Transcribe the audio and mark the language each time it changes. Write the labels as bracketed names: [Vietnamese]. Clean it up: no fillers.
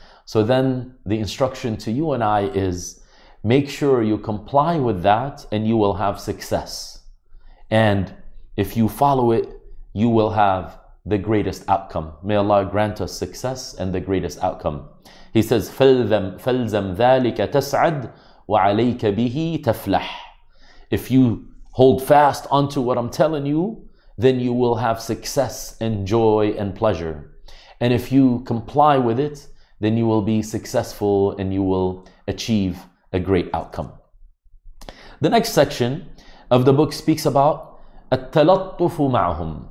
[English] So then the instruction to you and I is, make sure you comply with that and you will have success. And if you follow it, you will have the greatest outcome. May Allah grant us success and the greatest outcome. He says, [Arabic] فَلْزَمْ ذَلِكَ تَسْعَدْ وَعَلَيْكَ بِهِ تَفْلَحْ. [English] If you hold fast onto what I'm telling you, then you will have success and joy and pleasure. And if you comply with it, then you will be successful and you will achieve a great outcome. The next section of the book speaks about [Arabic] التَلَطُّفُ مَعْهُمْ.